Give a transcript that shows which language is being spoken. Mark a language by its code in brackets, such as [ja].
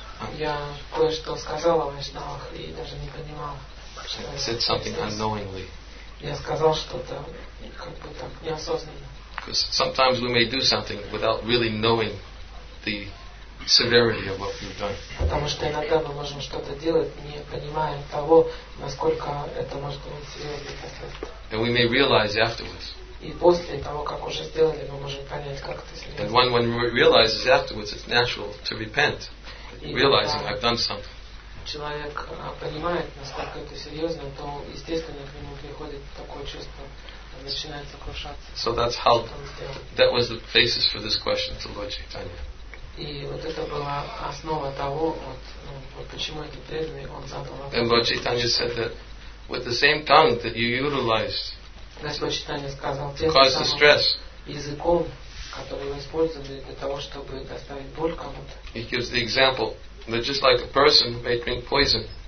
[en] I said something unknowingly. Because sometimes we may do something without really knowing the severity of what we've done. [ru] Потому что иногда мы можем что-то делать, не понимая того, насколько это может быть серьезным последствием. [en] And we may realize afterwards. [ru] И после того, как уже сделали, мы можем понять, как это серьезно. [en] And when realizes afterwards, it's natural to repent, realizing I've done something. [ru] Человек понимает, насколько это серьезно, то естественно к нему приходит такое чувство. Начинается крушаться. [en] So that's how that was the basis for this question to Lord Chaitanya. [ru] И вот это была основа того, вот почему эти преданные он задал вопрос. [en] And Lord Chaitanya said that with the same tongue that you utilized to cause the stress, [ru] языком, который вы использовали для того, чтобы доставить боль кому-то. [en] He gives the example that just like a person may drink poison.